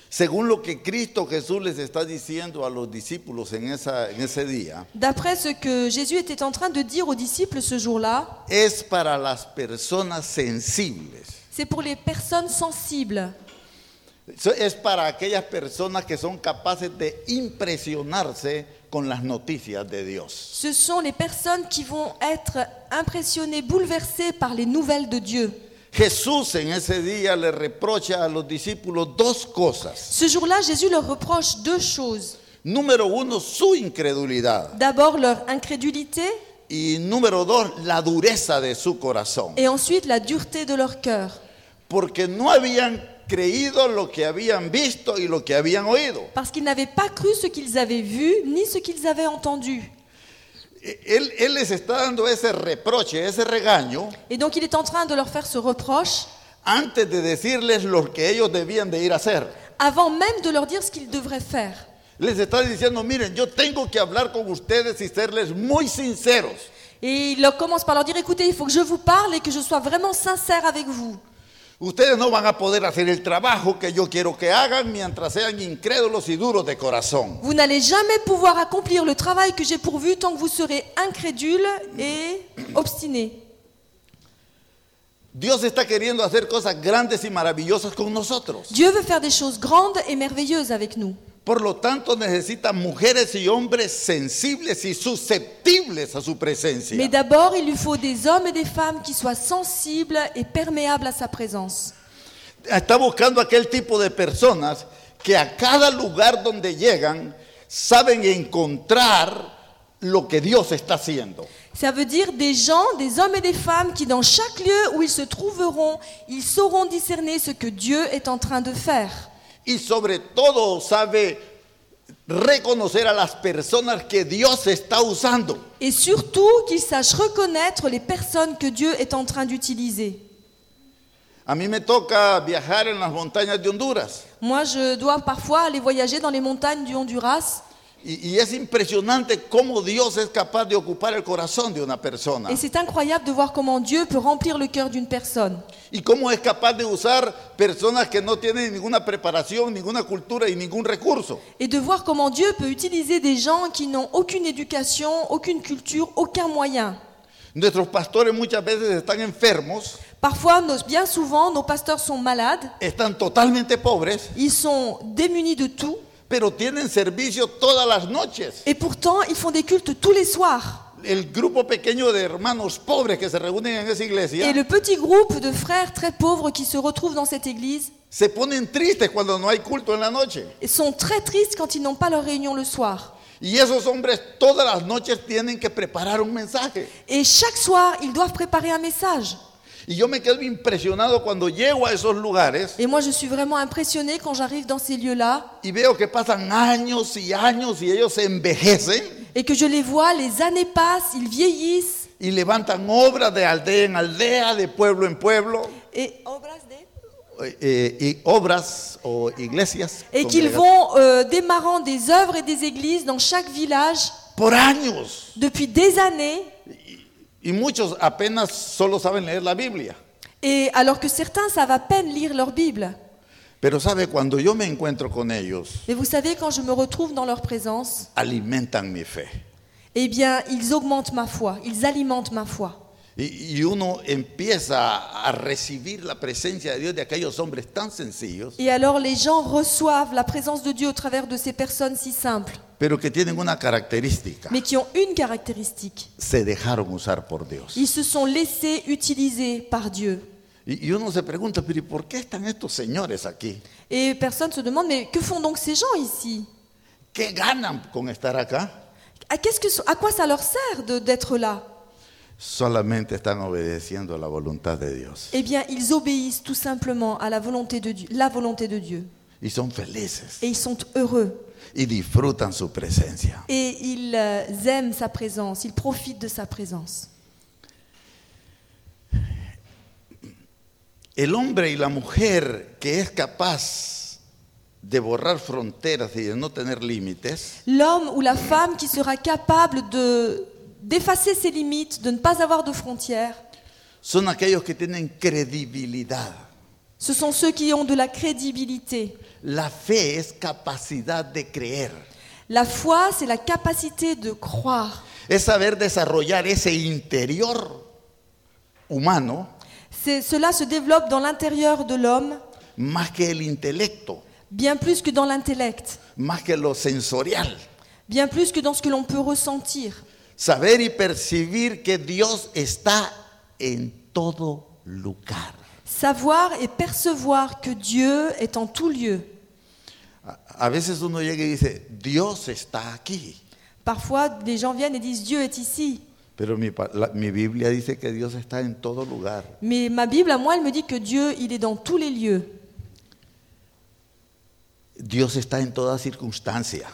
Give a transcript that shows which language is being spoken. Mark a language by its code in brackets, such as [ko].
[es] Según lo que Cristo Jesús les está diciendo a los discípulos en ese día. [fr] D'après ce que Jésus était en train de dire aux disciples ce jour-là. [es] Es para las personas sensibles. [fr] C'est pour les personnes sensibles. [es] Es para aquellas personas que son capaces de impresionarse con las noticias de Dios. [fr] Ce sont les personnes qui vont être impressionnées, bouleversées par les nouvelles de Dieu. [es] Jesús en ese día le reprocha a los discípulos dos cosas. [fr] Ce jour-là, Jésus leur reproche deux choses. [es] Número uno, su incredulidad. [fr] D'abord, leur incrédulité. [es] Y número dos, la dureza de su corazón. [fr] Et ensuite, la dureté de leur cœur. [es] Porque no habían creído lo que habían visto y lo que habían oído. [fr] Parce qu'ils n'avaient pas cru ce qu'ils avaient vu ni ce qu'ils avaient entendu. [es] Él les está dando ese reproche, ese regaño. [fr] Et donc il est en train de leur faire ce reproche. [es] Antes de decirles lo que ellos debían de ir a hacer. [fr] Avant même de leur dire ce qu'ils devraient faire. [es] Les está diciendo, miren, yo tengo que hablar con ustedes y serles muy sinceros. [fr] Et il commence par leur dire, écoutez, il faut que je vous parle et que je sois vraiment sincère avec vous. [es] Ustedes no van a poder hacer el trabajo que yo quiero que hagan mientras sean incrédulos y duros de corazón. [fr] Vous n'allez jamais pouvoir accomplir le travail que j'ai pourvu tant que vous serez incrédules et obstinés. [es] Dios está queriendo hacer cosas grandes y maravillosas con nosotros. [fr] Dieu veut faire des choses grandes et merveilleuses avec nous. [es] Por lo tanto, necesita mujeres y hombres sensibles y susceptibles a su presencia. [fr] Mais d'abord, il lui faut des hommes et des femmes qui soient sensibles et perméables à sa présence. [es] Está buscando aquel tipo de personas que a cada lugar donde llegan saben encontrar lo que Dios está haciendo. [fr] Ça veut dire des gens, des hommes et des femmes qui dans chaque lieu où ils se trouveront, ils sauront discerner ce que Dieu est en train de faire. [es] Y sobre todo sabe reconocer a las personas que Dios está usando. [fr] Et surtout qu'ils sachent reconnaître les personnes que Dieu est en train d'utiliser. [es] A mí me toca viajar en las montañas de Honduras. [fr] Moi je dois parfois aller voyager dans les montagnes du Honduras. [es] Y es impresionante cómo Dios es capaz de ocupar el corazón de una persona. [fr] Et c'est incroyable de voir comment Dieu peut remplir le cœur d'une personne. [es] Y cómo es capaz de usar personas que no tienen ninguna preparación, ninguna cultura y ningún recurso. [fr] Et de voir comment Dieu peut utiliser des gens qui n'ont aucune éducation, aucune culture, aucun moyen. [es] Nuestros pastores muchas veces están enfermos. [fr] Parfois, bien souvent, nos pasteurs sont malades. [es] Están totalmente pobres. [fr] Ils sont démunis de tout. [es] Pero tienen servicio todas las noches. [fr] Et pourtant, ils font des cultes tous les soirs. [es] El grupo pequeño de hermanos pobres que se reúnen en esa iglesia. [fr] Et le petit groupe de frères très pauvres qui se retrouvent dans cette église. [es] Se ponen tristes cuando no hay culto en la noche. [fr] Ils sont très tristes quand ils n'ont pas leur réunion le soir. [es] Y esos hombres todas las noches tienen que preparar un mensaje. [fr] Et chaque soir, ils doivent préparer un message. [es] Y yo me quedo impresionado cuando llego a esos lugares. [fr] Et moi je suis vraiment impressionné quand j'arrive dans ces lieux-là. [es] Y veo que pasan años y años y ellos se envejecen. [fr] Et que je les vois, les années passent, ils vieillissent. [es] Y levantan obras de aldea en aldea, de pueblo en pueblo. Et obras de y obras o iglesias. [fr] Et qu'ils vont démarrant des œuvres et des églises dans chaque village. [es] Por años. [fr] Depuis des années. [es] Y muchos apenas solo saben leer la Biblia. [fr] Et alors que certains savent à peine lire leur Bible. [es] Pero sabe, cuando yo me encuentro con ellos, [fr] mais vous savez, quand je me retrouve dans leur présence, [es] alimentan mi fe. [fr] Eh bien, ils augmentent ma foi, ils alimentent ma foi. [es] Y uno empieza a recibir la presencia de Dios de aquellos hombres tan sencillos. [fr] Et alors les gens reçoivent la présence de Dieu au travers de ces personnes si simples. [es] Pero que tienen una característica. [fr] Mais qui ont une caractéristique. [es] Se dejaron usar por Dios. [fr] Ils se sont laissés utiliser par Dieu. [es] Y uno se pregunta, pero ¿por qué están estos señores aquí? [fr] Et personne se demande, mais que font donc ces gens ici? [es] ¿Qué ganan con estar acá? [fr] À quoi ça leur sert d'être là? [es] Solamente están obedeciendo a la voluntad de Dios. [fr] Eh bien, ils obéissent tout simplement à la volonté de Dieu, la volonté de Dieu. Ils sont [es] felices. [fr] Et ils sont heureux. [es] Y disfrutan su presencia. [fr] Et ils aiment sa présence, ils profitent de sa présence. [es] El hombre y la mujer que es capaz de borrar fronteras y de no tener límites. [fr] L'homme ou la femme qui sera capable de d'effacer ses limites, de ne pas avoir de frontières. [es] Son aquellos que tienen credibilidad. [fr] Ce sont ceux qui ont de la crédibilité. [es] La fe es capacidad de creer. [fr] La foi, c'est la capacité de croire. [es] Es saber desarrollar ese interior humano. [fr] Cela se développe dans l'intérieur de l'homme. [es] Más que el intelecto. [fr] Bien plus que dans l'intellect. [es] Más que lo sensorial. [fr] Bien plus que dans ce que l'on peut ressentir. [es] Saber y percibir que Dios está en todo lugar. [fr] Savoir et percevoir que Dieu est en tout lieu. [es] A veces uno llega y dice, Dios está aquí. [fr] Parfois, des gens viennent et disent, Dieu est ici. [es] Pero mi Biblia dice que Dios está en todo lugar. [fr] Mais ma Bible, à moi, elle me dit que Dieu, il est dans tous les lieux. [es] Dios está en toda circunstancia.